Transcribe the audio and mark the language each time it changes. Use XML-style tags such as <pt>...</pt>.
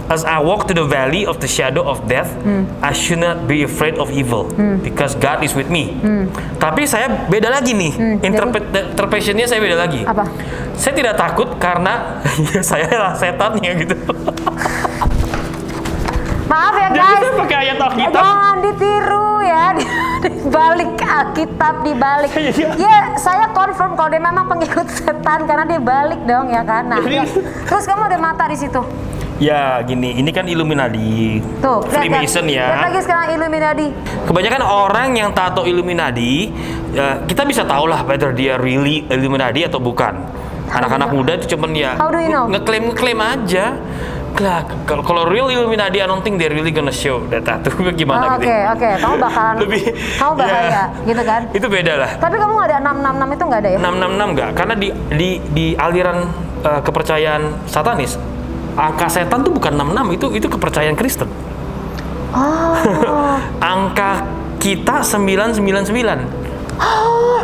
<en>As I walk to the valley of the shadow of death, I should not be afraid of evil, because God is with me.</en> <id>Tapi saya beda lagi nih, interpretation-nya saya beda lagi. Apa? Saya tidak takut karena saya lah setannya gitu. Maaf ya guys. Jadi pakai ayat Alkitab. Jangan ditiru ya. Dibalik Alkitab, dibalik. Ya, saya confirm kalau dia memang pengikut setan karena dia balik dong ya kan. Nah, ya. Terus kamu ada mata di situ? Ya, gini, ini kan Illuminati. Tuh, Freemason ya. Lihat lagi sekarang Illuminati. Kebanyakan orang yang tato Illuminati, kita bisa tahu lah whether dia really Illuminati atau bukan. Anak-anak muda itu cuman ya ngeklaim aja.</id> <en>Kalau real Illuminati, I don't think they really gonna show that tattoo</en> <id>gimana gitu. Oke, kamu bakalan lebih kamu bahaya gitu kan? Itu beda lah. Tapi kamu enggak ada 666 itu enggak ada ya? 666 enggak, karena di aliran kepercayaan satanis, angka setan tuh bukan 66, itu kepercayaan Kristen. Oh. Angka kita 999.</id>